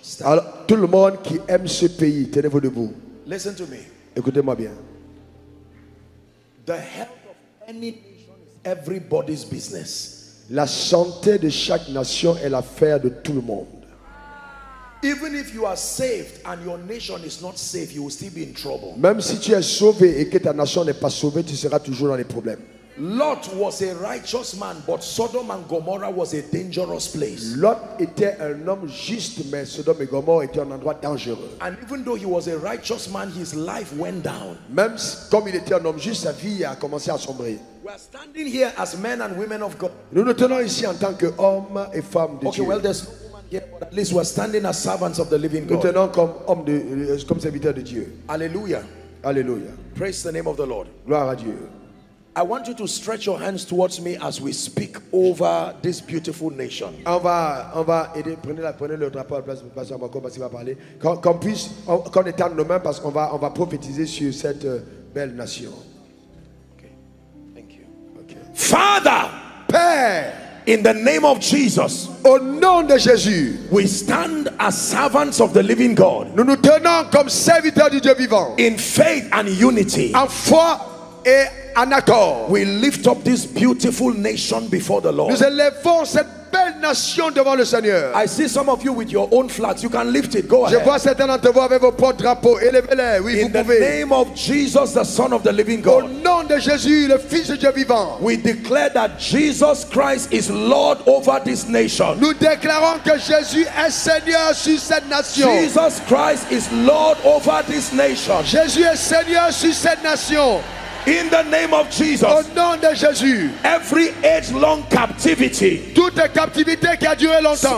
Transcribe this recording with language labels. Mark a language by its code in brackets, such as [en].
[fr] Alors, tout le monde qui aime ce pays, tenez-vous debout. [en] Listen to me. [fr] Écoutez-moi bien. [en] The health of any nation is everybody's business. [fr] La santé de chaque nation est l'affaire de tout le monde. [en] Even if you are saved and your nation is not saved, you will still be in trouble. [fr] Même si tu es sauvé et que ta nation n'est pas sauvée, tu seras toujours dans les problèmes. [en] Lot was a righteous man, but Sodom and Gomorrah was a dangerous place. [fr] Lot était un homme juste, mais Sodom et Gomorrah était un endroit dangereux. [en] And even though he was a righteous man, his life went down. [fr] Même si, comme il était un homme juste, sa vie a commencé à sombrer. [en] We are standing here as men and women of God. [fr] Nous nous tenons ici en tant que hommes et femmes de okay, Dieu. [en] Okay, well, there's no woman here, but at least we are standing as servants of the living God. [fr] Nous tenons comme hommes, comme serviteurs de Dieu. Hallelujah. Hallelujah. [en] Praise the name of the Lord. [fr] Gloire à Dieu. [en] I want you to stretch your hands towards me as we speak over this beautiful nation. [fr] On va aider, prenez le drapeau à la place de Pasteur Marco parce qu'il va parler. Qu'on puisse, qu'on étende nos mains parce qu'on va prophétiser sur cette belle nation. [en] Okay. Thank you. Okay. Father, [fr] Père, [en] in the name of Jesus, [fr] au nom de Jésus, [en] we stand as servants of the living God. [fr] Nous nous tenons comme serviteurs du Dieu vivant. [en] In faith and unity. [fr] En foi et en accord. [en] We lift up this beautiful nation before the Lord. [fr] Nous élevons cette belle nation devant le Seigneur. [en] I see some of you with your own flags. You can lift it. Go ahead. [fr] Je vois certains d'entre vous avec vos propres drapeaux. Élevez-les. Oui, vous pouvez. [en] In the name of Jesus, the Son of the Living God. [fr] Au nom de Jésus, le Fils de Dieu vivant. [en] We declare that Jesus Christ is Lord over this nation. [fr] Nous déclarons que Jésus est Seigneur sur cette nation. [en] Jesus Christ is Lord over this nation. [fr] Jésus est Seigneur sur cette nation. [en] In the name of Jesus, [fr] au nom de Jésus, [en] every age-long captivity, [fr] toute captivité qui a duré longtemps,